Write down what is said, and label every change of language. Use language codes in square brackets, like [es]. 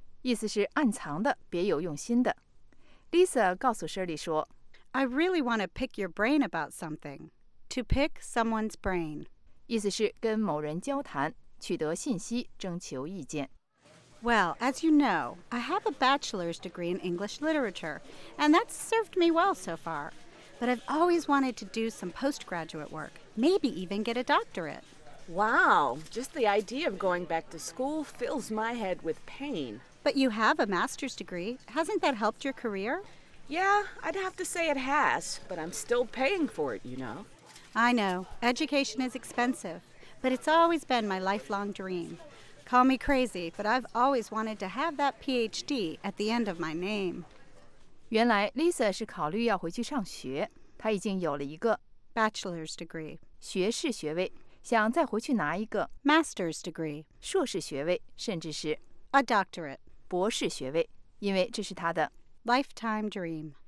[zh] 意思是暗藏的，别有用心的。 Lisa 告诉 Shirley 说 [en] I really want to pick your brain about something. To pick someone's brain [zh] 意思是跟某人交谈，取得信息，征求意见。 [en] Well, as you know, I have a bachelor's degree in English literature, and that's served me well so far. But I've always wanted to do some postgraduate work, maybe even get a doctorate. Wow, just the idea of going back to school fills my head with pain. But you have a master's degree. Hasn't that helped your career? Yeah, I'd have to say it has, but I'm still paying for it, you know. I know, education is expensive, but it's always been my lifelong dream. Call me crazy, but I've always wanted to have that PhD at the end of my name. [zh] 原来 Lisa 是考虑要回去上学，她已经有了一个 [en] bachelor's degree [zh] 学士学位，想再回去拿一个 [en] master's degree [zh] 硕士学位，甚至是 [en] a doctorate [zh] 博士学位，因为这是她的 [en] lifetime dream